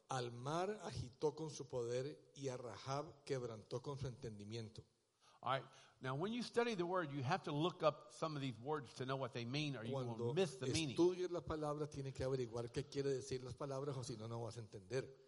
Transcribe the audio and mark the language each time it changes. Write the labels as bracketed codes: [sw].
[es] Al mar agitó con su poder y a Rahab quebrantó con su entendimiento. [en] All right. Now, when you study the word, you have to look up some of these words to know what they mean or [es] cuando [en] you will miss the meaning. [es] Cuando estudies la palabra, tienes que averiguar qué quiere decir las palabras o si no, no vas a entender.